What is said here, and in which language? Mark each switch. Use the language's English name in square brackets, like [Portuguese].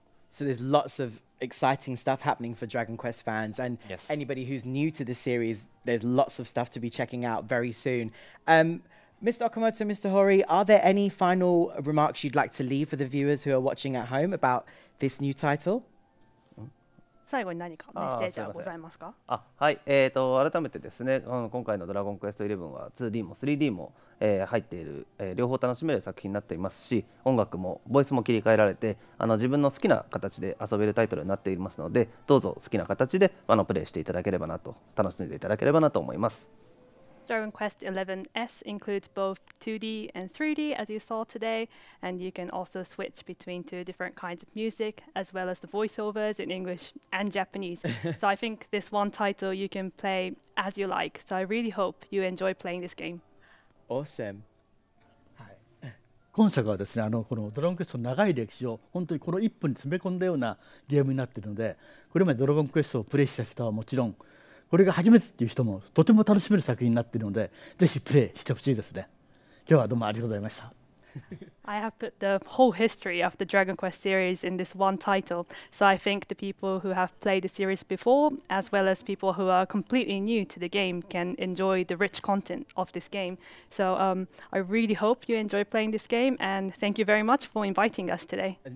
[English] So there's lots of exciting stuff happening for Dragon Quest fans and yes. Anybody who's new to the series, there's lots of stuff to be checking out very soon. Mr. Okamoto, Mr. Hori, are there any final remarks you'd like to leave for the viewers who are watching at home about this new title? [Japanese] 最後に何かメッセージはございますか？あ、はい、改めてですね、今回のドラゴンクエスト11は 2D も 3D も、入っている、両方楽しめる作品になっていますし、音楽もボイスも切り替えられて、自分の好きな形で遊べるタイトルになっていますので、どうぞ好きな形でプレイしていただければなと、楽しんでいただければなと思います。 [English] Dragon Quest XI S includes both 2D and 3D, as you saw today, and you can also switch between two different kinds of music, as well as the voiceovers in English and Japanese. So I think this one title you can play as you like. So I really hope you enjoy playing this game. Awesome. [Japanese] 今作はですね、このドラゴンクエストの長い歴史を本当にこの1分に詰め込んだようなゲームになっているので、これまでドラゴンクエストをプレイした人はもちろん。これが初めてっていう人もとても楽しめる作品になっているので、ぜひプレイしてほしいですね。今日はどうもありがとうございました。 [English] I have put the whole history of the Dragon Quest series in this one title. So I think the people who have played the series before, as well as people who are completely new to the game, can enjoy the rich content of this game. So I really hope you enjoy playing this game, and thank you very much for inviting us today.